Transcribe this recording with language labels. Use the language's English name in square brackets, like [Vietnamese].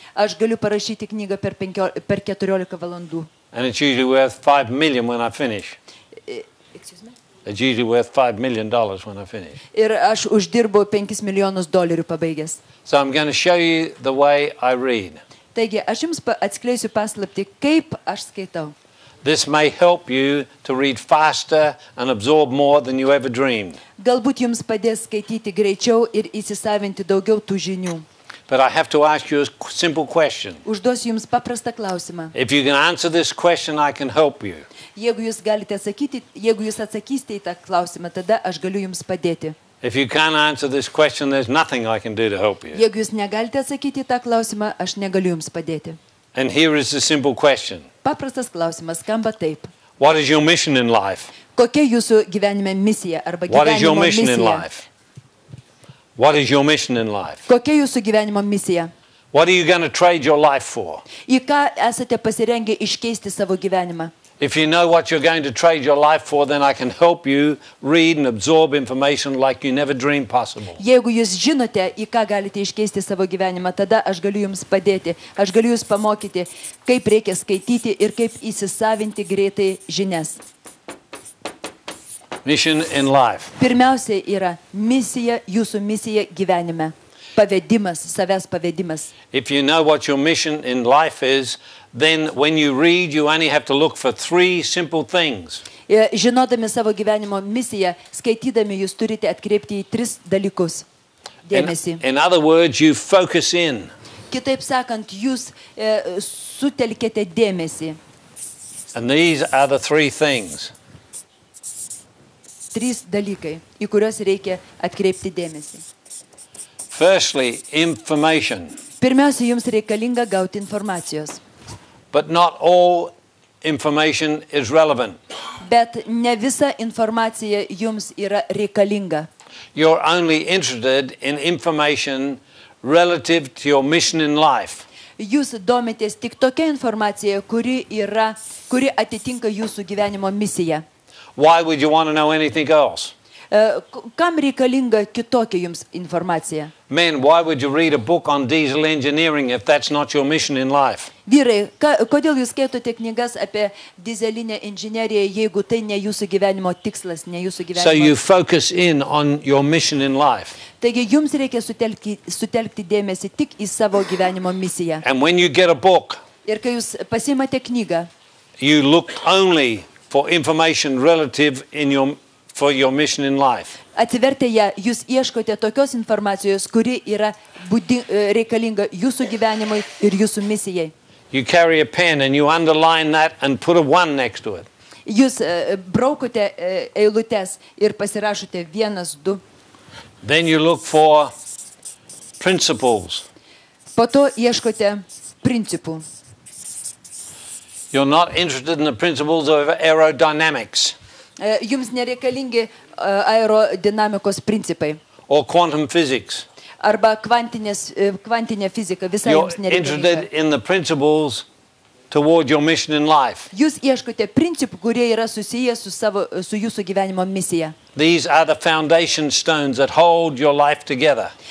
[Lithuanian] Aš galiu parašyti knygą per 14 valandų. [English] And it's usually worth 5 million when I finish. Excuse me? It's usually worth $5 million when I finish. [Lithuanian] Ir aš uždirbu 5 milijonus dolerių pabaigęs. [English] So I'm going to show you the way I read. [Lithuanian] Taigi, aš jums atskleisiu paslaptį, kaip aš skaitau. [English] This may help you to read faster and absorb more than you ever dreamed. [Lithuanian] Galbūt jums padės skaityti greičiau ir įsisavinti daugiau tų žinių. [English] But I have to ask you a simple question. [Lithuanian] Užduosiu jums paprastą klausimą. [English] If you can answer this question, I can help you. [Lithuanian] Jeigu jūs atsakysite į tą klausimą, tada aš galiu jums padėti. [English] If you can't answer this question, there's nothing I can do to help you. [Lithuanian] Jeigu jūs negalite atsakyti į tą klausimą, aš negaliu jums padėti. [English] And here is a simple question. [Lithuanian] Paprastas klausimas skamba taip. [English] What is your mission in life? [Lithuanian] Kokia jūsų gyvenime misija arba gyvenimo misija? [English] What is your mission in life? What is your mission in life? [Lithuanian] Kokia jūsų gyvenimo misija? [English] What are you going to trade your life for? [Lithuanian] Į ką esate pasirengę iškeisti savo gyvenimą? [English] If you know what you're going to trade your life for, then I can help you read and absorb information like you never dreamed possible. [Lithuanian] Jeigu jūs žinote, į ką galite iškeisti savo gyvenimą, tada aš galiu jums padėti. Aš galiu jus pamokyti, kaip reikia skaityti ir kaip įsisavinti greitai žinias. [English] Mission in life. [Lithuanian] Pirmiausia yra misija, jūsų misija gyvenime. Pavedimas, savęs pavedimas. [English] If you know what your mission in life is, then when you read, you only have to look for three simple things. [Lithuanian] Žinodami savo gyvenimo misiją, skaitydami, jūs turite atkreipti į tris dalykus. Dėmesį. [English] In other words, you focus in. [Lithuanian] Kitaip sakant, jūs sutelkiate dėmesį. [English] And these are the three things. [Lithuanian] Trys dalykai, į kuriuos reikia atkreipti dėmesį. [English] Firstly, information. [Lithuanian] Pirmiausia, jums reikalinga gauti informacijos. [English] But not all information is relevant. [Lithuanian] Bet ne visa informacija jums yra reikalinga. [English] You're only interested in information relative to your mission in life. [Lithuanian] Jūs domitės tik tokia informacija, kuri atitinka jūsų gyvenimo misiją. [English] Why would you want to know anything else? [Lithuanian] Kam reikalinga kitokia jums informacija? [English] Men, why would you read a book on diesel engineering if that's not your mission in life? [Lithuanian] Vyrai, kodėl jūs skaitote knygas apie dizelinę inžineriją, jeigu tai ne jūsų gyvenimo tikslas, ne jūsų gyvenimo? [English] So you focus in on your mission in life. [Lithuanian] Taigi jums reikia sutelkti dėmesį tik į savo gyvenimo misiją. [English] And when you get a book, [Lithuanian] ir kai jūs pasiimate knygą, [English] you look only for information relative in your for your mission in life. [Lithuanian] Atsivertę ją, jūs ieškote tokios informacijos, kuri yra reikalinga jūsų gyvenimui ir jūsų misijai. [English] You carry a pen and you underline that and put a one next to it. [Lithuanian] Jūs braukote eilutes ir pasirašote vienas, du. [English] Then you look for principles. [Lithuanian] Po to ieškote principų. [English] You're not interested in the principles of aerodynamics. [Lithuanian] Jums nereikalingi aerodinamikos principai. [English] Or quantum physics. [Lithuanian] Arba kvantinė fizika, visa jums nereikalinga. [English] You're interested in the principles toward your mission in life. [Lithuanian] Jūs ieškote principų, kurie yra susiję su jūsų gyvenimo misija. [English] These are the foundation stones that hold your life together.